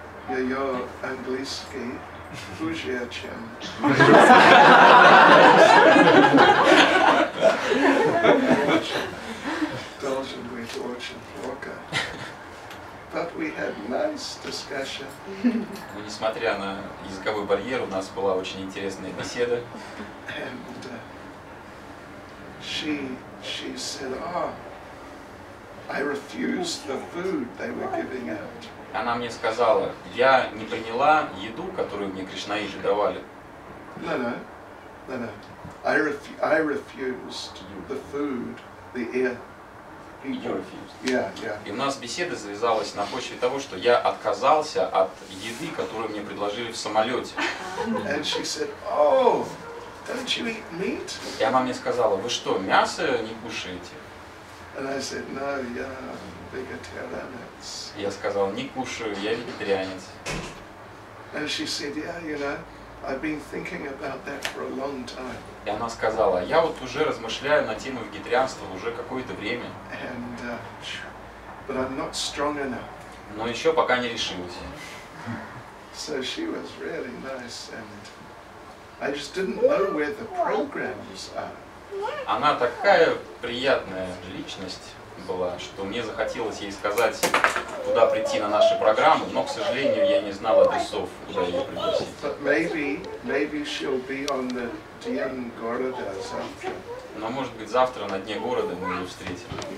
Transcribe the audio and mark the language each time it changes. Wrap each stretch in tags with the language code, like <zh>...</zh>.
<ru>Ее английский хуже, чем должен быть очень плохо.</ru> <en>But we had nice discussion.</en> <ru>Но несмотря на языковой барьер, у нас была очень интересная беседа.</ru> <en>And she said, I refused the food they were giving out.</en> <ru>Она мне сказала, я не приняла еду, которую мне кришнаиты давали.</ru> <en>No. I refused the food, the air. Yeah.</en> <ru>И у нас беседа завязалась на почве того, что я отказался от еды, которую мне предложили в самолете.</ru> <en>And she said, "Oh, don't you eat meat?"</en> <ru>И она мне сказала, вы что, мясо не кушаете?</ru> <en>And I said, "No, I'm vegetarian."</en> <ru>Я сказал, не кушаю, я вегетарианец.</ru> <en>And she said, "Yeah, you know, I've been thinking about that for a long time."</en> <ru>И она сказала, я вот уже размышляю на тему вегетарианства уже какое-то время.</ru> <en>And, but I'm not strong enough.</en> <ru>Но еще пока не решилась.</ru> <en>So she was really nice, and I just didn't know where the programs are.</en> <ru>Она такая приятная личность была, что мне захотелось ей сказать, куда прийти на наши программы, но, к сожалению, я не знал адресов, куда ее пригласить.</ru> <en>Maybe she'll be on the DM города завтра.</en> <ru>Но, может быть, завтра на дне города мы ее встретим.</ru>